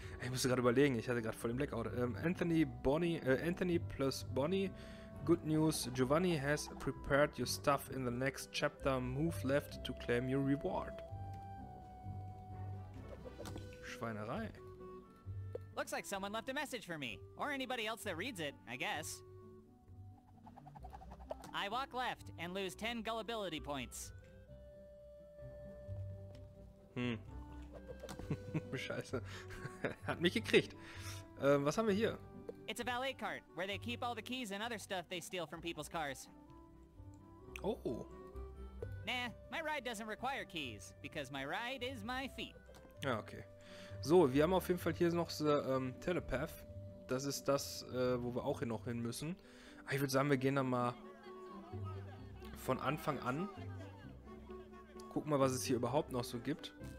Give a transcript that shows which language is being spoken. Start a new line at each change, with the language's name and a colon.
German: Ich musste gerade überlegen, ich hatte gerade voll den Blackout.
English: Anthony plus Bonnie. Good news, Giovanni has prepared your stuff in the next chapter. Move left to claim your reward.
German: Schweinerei.
English: Looks like someone left a message for me. Or anybody else that reads it, I guess. I walk left and lose 10 gullibility points.
German: Hm. Scheiße. Hat mich gekriegt. Was haben wir hier?
English: It's a valet cart, where they keep all the keys and other stuff they steal from people's cars. Oh. Nah, my ride doesn't require keys, because my ride is my feet.
German: Ja, okay. So, wir haben auf jeden Fall hier noch Telepath. Das ist das, wo wir auch hier noch hin müssen. Aber ich würde sagen, wir gehen da mal von Anfang an. Guck mal, was es hier überhaupt noch so gibt.